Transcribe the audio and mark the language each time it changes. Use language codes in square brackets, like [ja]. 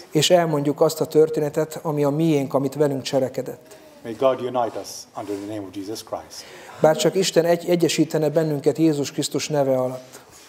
[hu] És elmondjuk azt a történetet, ami a miénk, amit velünk cselekedett. [en] May God unite us under the name of Jesus Christ. [hu] Bár csak Isten egyesítene bennünket Jézus Krisztus neve alatt.